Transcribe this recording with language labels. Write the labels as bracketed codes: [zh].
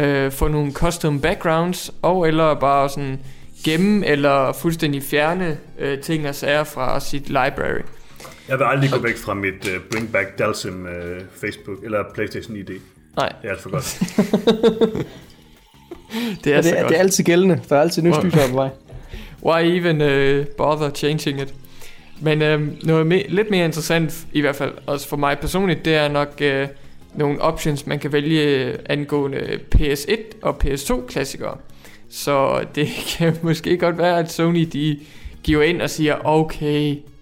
[da] Få nogle custom backgrounds. Og eller bare sådan gemme eller fuldstændig fjerne ting og sager fra sit library. Jeg vil aldrig gå væk fra mit Bring Back Dalsim Facebook eller PlayStation ID. Nej. Det er alt for godt. Det er altid gældende. Der er altid nye styrker på vej. [en] Why even bother changing it? [da] Men noget lidt mere interessant, i hvert fald også for mig personligt, det er nok nogle options, man kan vælge angående PS1 og PS2 klassikere. Så det kan måske godt være, at Sony de giver ind og siger, okay...